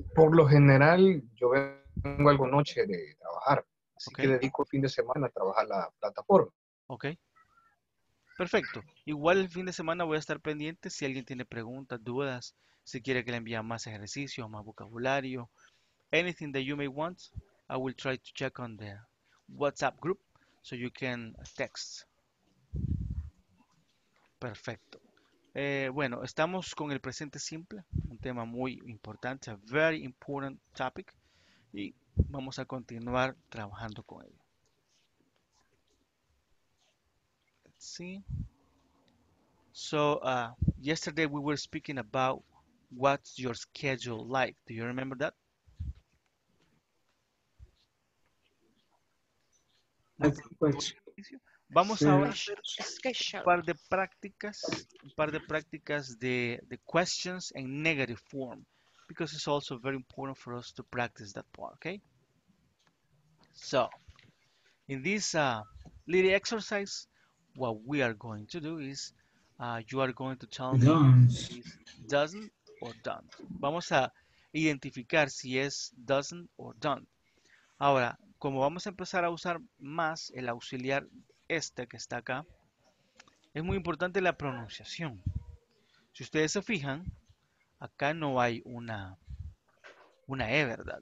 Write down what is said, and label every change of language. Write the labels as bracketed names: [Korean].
[Spanish] Por lo general, yo vengo algo noche de trabajar. Así okay. Que dedico el fin de semana a trabajar la plataforma. Ok. Perfecto. Igual el fin de semana voy a estar pendiente si alguien tiene preguntas, dudas, si quiere que le envíe más ejercicios, más vocabulario. [English] Anything that you may want, I will try to check on the WhatsApp group so you can text. [Spanish] Perfecto. Bueno, estamos con el presente simple, un tema muy importante, [English] a very important topic, [Spanish] y vamos a continuar trabajando con ello. [English] See, so yesterday we were speaking about what's your schedule like. Do you remember that? [Spanish] Vamos a ver un par de prácticas de [English] questions in negative form, because it's also very important for us to practice that part. Okay, so in this little exercise, what we are going to do is, you are going to tell me if doesn't or don't. [Spanish] Vamos a identificar si es doesn't or don't. Ahora, como vamos a empezar a usar más el auxiliar este que está acá, es muy importante la pronunciación. Si ustedes se fijan, acá no hay una E, ¿verdad?